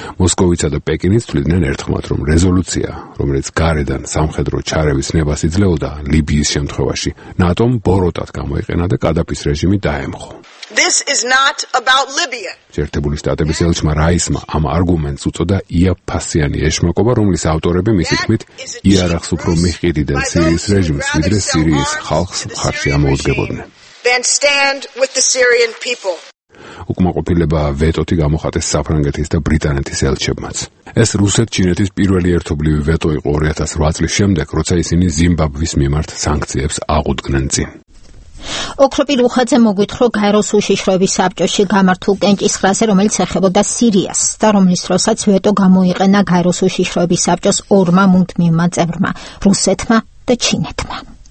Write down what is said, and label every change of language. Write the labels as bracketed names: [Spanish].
[Georgian] მოსკოვისა და პეკინის თვლიდნენ ერთხმად, რომ რეზოლუცია, რომელიც გარედან სამხედრო ჩარევის ნებას იძლეოდა ლიბიის შემთხვევაში, ნატომ ბოროტად გამოიყენა და კადაფის რეჟიმი დაემხო. [English] This is not about Libya. [Georgian] ჯერტებული შტატების ელჩმა რაისმა ამ არგუმენტს უწოდა იაფასიანი ეშმაკობა, რომლის ავტორები მისი თქმით იარაღს უფრო მიჰყიდიდნენ სირიის რეჟიმს, ვიდრე სირიის ხალხს მხარში ამოუდგებოდნენ. [English] Then stand with the Syrian people. [Georgian] უკმაყოფილება ვეტოთი გამოხატეს საფრანგეთის და ბრიტანეთის ელჩებმაც. ეს რუსეთ-ჩინეთის პირველი ერთობლივი ვეტო იყო 2008 წლის შემდეგ, როცა ისინი ზიმბაბვის მიმართ სანქციებს აღუდგნენ წინ. ოქროპი რუხაძე მოგვითხრო გაეროს უშიშროების საბჭოში გამართულ კენჭისყრაზე, რომელიც ეხებოდა სირიას და რომლის დროსაც ვეტო გამოიყენა გაეროს უშიშროების საბჭოს ორმა მუდმივმა წევრმა, რუსეთმა და ჩინეთმა.